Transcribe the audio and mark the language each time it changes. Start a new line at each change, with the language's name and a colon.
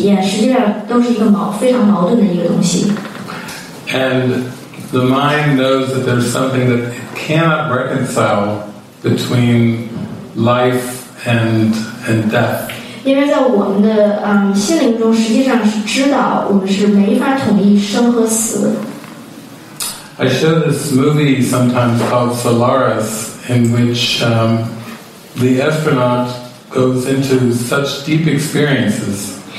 Chinese: 我觉得你说的这些是其实很重要的，因为整个这个世界，还有是我们定义的作为这个人的体验，实际上都是一个非常矛盾的一个东西。
English: And the mind knows that there's something that it cannot reconcile between life and death.
Chinese: 因为在我们的心灵中，实际上是知道我们是没法统一生和死。
English: I show this movie sometimes called Solaris, in which the astronaut goes into such deep experiences.